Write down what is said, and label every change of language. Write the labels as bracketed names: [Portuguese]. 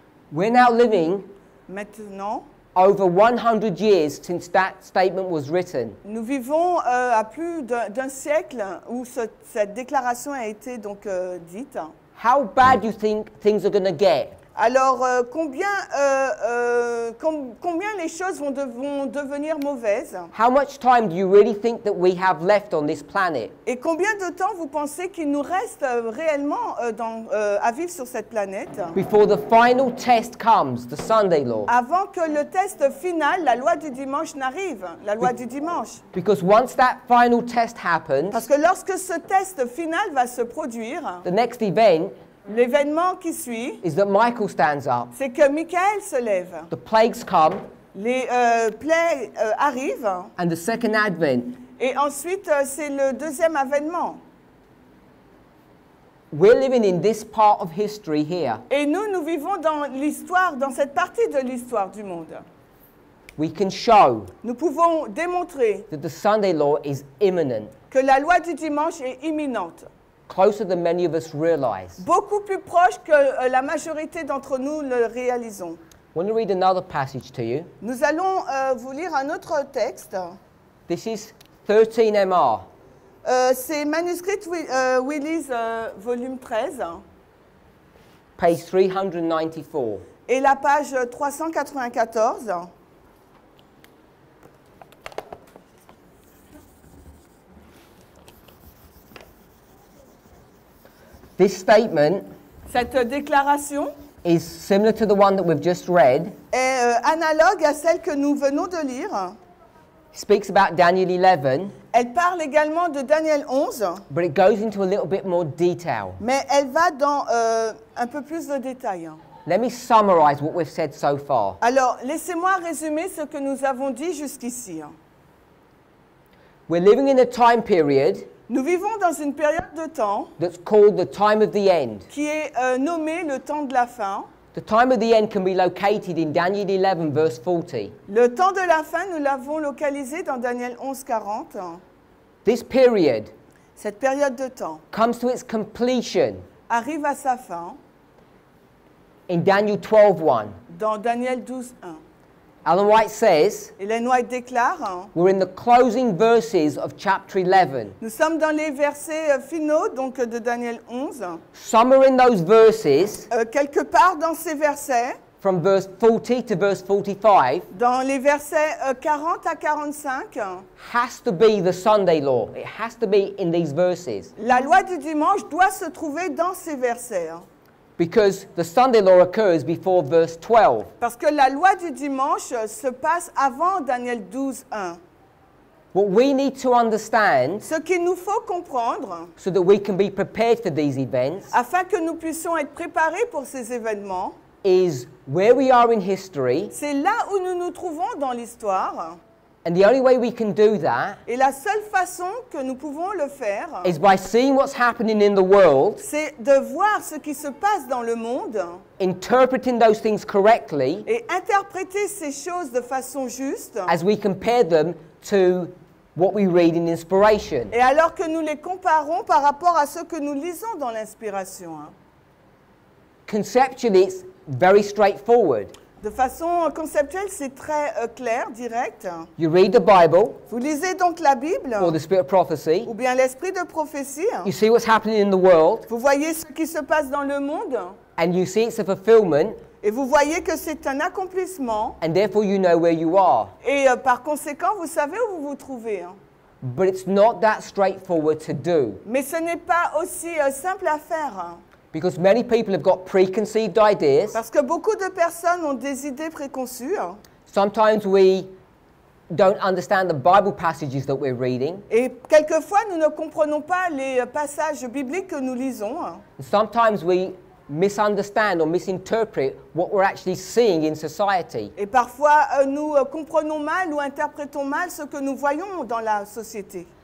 [English] We're now living. [French] Maintenant. [English] Over 100 years since that statement was written. [French] Nous vivons à plus d'un siècle où cette déclaration a été donc dite. [English] How bad do you think things are going to get? [French] Alors combien les choses vont devenir mauvaises? [English] How much time do you really think that we have left on this planet? [French] Et combien de temps vous pensez qu'il nous reste réellement à vivre sur cette planète? [English] Before the final test comes, the Sunday law. [French] Avant que le test final, la loi du dimanche n'arrive, la loi du dimanche. [English] Because once that final test happens, [French] parce que lorsque ce test final va se produire, [English] the next event. [French] L'événement qui suit [English] is that Michael stands up. [French] C'est que Michael se lève. [English] The plagues come. [French] Les plaies arrivent. [English] And the second advent. [French] Et ensuite, c'est le deuxième avènement. [English] We're living in this part of history here. [French] Et nous vivons dans l'histoire, dans cette partie de l'histoire du monde. [English] We can show. [French] Nous pouvons démontrer [English] that the Sunday law is imminent. [French] Que la loi du dimanche est imminente. [English] Closer than many of us realize. [French] Beaucoup plus proche que la majorité d'entre nous le réalisons. [English] Want to read another passage to you? [French] Nous allons vous lire un autre texte. [English] This is 13 MR. [French] C'est manuscrit Willis, volume 13. [English] Page 394. [French] Et la page 394. [English] This statement [French] cette déclaration [English] is similar to the one that we've just read. [French] Est analogue à celle que nous venons de lire. [English] Speaks about Daniel 11. [French] Elle parle également de Daniel 11. [English] But it goes into a little bit more detail. [French] Mais elle va dans un peu plus de détails. [English] Let me summarize what we've said so far. [French] Alors, laissez-moi résumer ce que nous avons dit jusqu'ici. [English] We're living in a time period. [French] Nous vivons dans une période de temps [English] that's called the time of the end. [French] Qui est nommée le temps de la fin. [English] The time of the end can be located in Daniel 11, verse 40. [French] Le temps de la fin, nous l'avons localisé dans Daniel 11, 40. [English] This period [French] cette période de temps [English] comes to its completion [French] arrive à sa fin [English] in Daniel 12, 1. [French] Dans Daniel 12, 1. [English] Ellen White says, [French] Ellen White déclare, [English] we're in the closing verses of chapter 11. [French] Nous sommes dans les versets finaux donc de Daniel 11. [English] Somewhere in those verses, [French] quelque part dans ces versets, [English] from verse 40 to verse 45, [French] dans les versets 40 à 45, [English] has to be the Sunday law. It has to be in these verses. [French] La loi du dimanche doit se trouver dans ces versets. [English] Because the Sunday law occurs before verse 12. [French] Parce que la loi du dimanche se passe avant Daniel 12, 1. [English] What we need to understand, [French] ce qu'il nous faut comprendre, [English] so that we can be prepared for these events, [French] afin que nous puissions être préparés pour ces événements, [English] is where we are in history. [French] C'est là où nous nous trouvons dans l'histoire. [English] And the only way we can do that, [French] et la seule façon que nous pouvons le faire, [English] is by seeing what's happening in the world, [French] c'est de voir ce qui se passe dans le monde, [English] interpreting those things correctly, [French] et interpréter ces choses de façon juste, [English] as we compare them to what we read in inspiration. [French] Et alors que nous les comparons par rapport à ce que nous lisons dans l'inspiration. [English] Conceptually, it's very straightforward. [French] De façon conceptuelle, c'est très clair, direct. [English] You read the Bible. [French] Vous lisez donc la Bible. [English] Or the spirit of prophecy. [French] Ou bien l'esprit de prophétie. [English] You see what's happening in the world. [French] Vous voyez ce qui se passe dans le monde. [English] And you see it's a fulfillment. [French] Et vous voyez que c'est un accomplissement. [English] And therefore you know where you are. [French] Et par conséquent, vous savez où vous vous trouvez. [English] But it's not that straightforward to do. [French] Mais ce n'est pas aussi simple à faire. [English] Because many people have got preconceived ideas. [French] Parce que beaucoup de personnes ont des idées préconçues. [English] Sometimes we don't understand the Bible passages that we're reading. [French] Et quelquefois nous ne comprenons pas les passages bibliques que nous lisons. [English] Sometimes we misunderstand or misinterpret what we're actually seeing in society. [French] Et parfois nous comprenons mal ou interprétons mal ce que nous voyons dans la société.